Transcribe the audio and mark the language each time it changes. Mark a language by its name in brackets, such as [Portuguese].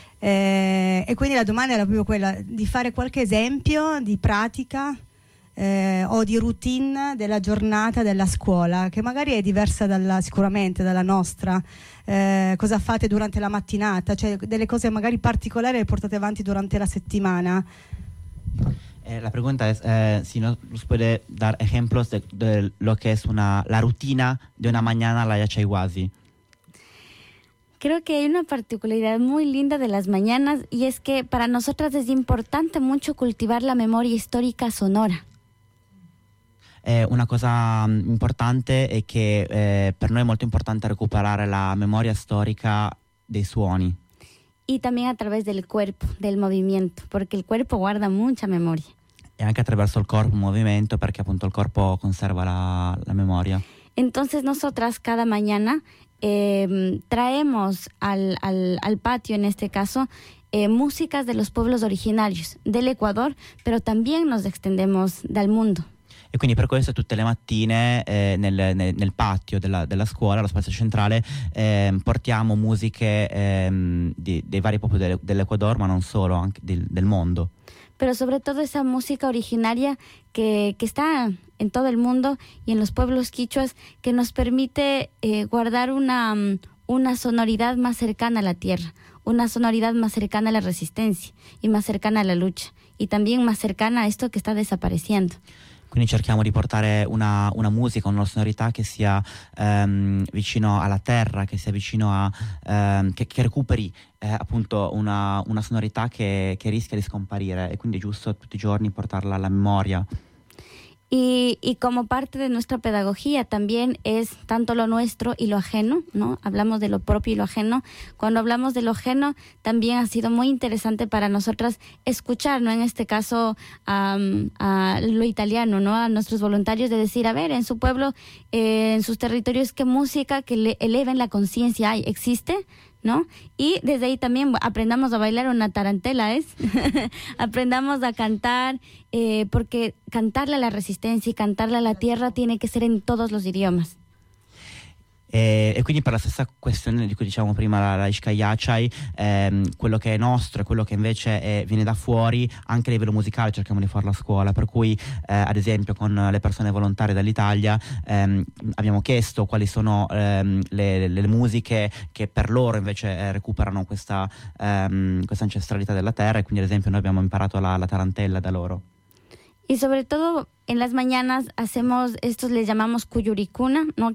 [Italian] E quindi la domanda era proprio quella di fare qualche esempio di pratica o di routine della giornata della scuola, che magari è diversa sicuramente dalla nostra. Cosa fate durante la mattinata, cioè delle cose magari particolari le portate avanti durante la settimana? [Spanish] La pregunta es si nos puede dar ejemplos de lo que es la rutina de una mañana a la Yachayhuasi. Creo que hay una particularidad muy linda de las mañanas, y es que para nosotras es importante mucho cultivar la memoria histórica sonora. [Italian] Una cosa importante [Spanish] es que [Italian] per noi è molto importante recuperare la memoria storica dei suoni. [Spanish] Y también a través del cuerpo, del movimiento, porque el cuerpo guarda mucha memoria. [Italian] E anche attraverso il corpo, un movimento, perché appunto il corpo conserva la memoria. [Spanish] Entonces nosotras cada mañana traemos al patio, en este caso, músicas de los pueblos originarios del Ecuador, pero también nos extendemos del mundo. [Italian] E quindi per questo tutte le mattine nel patio della scuola, lo spazio centrale, portiamo musiche dei vari popoli dell'Ecuador, ma non solo, anche del mondo. [Spanish] Pero sobre todo esa música originaria que está en todo el mundo y en los pueblos quichuas, que nos permite guardar una sonoridad más cercana a la tierra, una sonoridad más cercana a la resistencia y más cercana a la lucha, y también más cercana a esto que está desapareciendo. [Italian] Quindi cerchiamo di portare una musica, una sonorità che sia vicino alla terra, che sia vicino a che recuperi appunto una sonorità che rischia di scomparire, e quindi è giusto tutti i giorni portarla alla memoria. [Spanish] Y como parte de nuestra pedagogía también es tanto lo nuestro y lo ajeno, ¿no? Hablamos de lo propio y lo ajeno. Cuando hablamos de lo ajeno, también ha sido muy interesante para nosotras escuchar, ¿no? En este caso, a lo italiano, ¿no? A nuestros voluntarios, de decir, a ver, en su pueblo, en sus territorios, ¿qué música que le eleven la conciencia hay? ¿Existe? ¿No? Y desde ahí también aprendamos a bailar una tarantela, ¿es? Aprendamos a cantar, porque cantarle a la resistencia y cantarle a la tierra tiene que ser en todos los idiomas. [Italian] E quindi per la stessa questione di cui diciamo prima, la Ishkayachai, quello che è nostro e quello che invece viene da fuori, anche a livello musicale cerchiamo di farlo a scuola, per cui ad esempio con le persone volontarie dall'Italia abbiamo chiesto quali sono le musiche che per loro invece recuperano questa ancestralità della terra, e quindi ad esempio noi abbiamo imparato la tarantella da loro. [Spanish] Y sobre todo en las mañanas hacemos, estos les llamamos cuyuricuna, ¿no?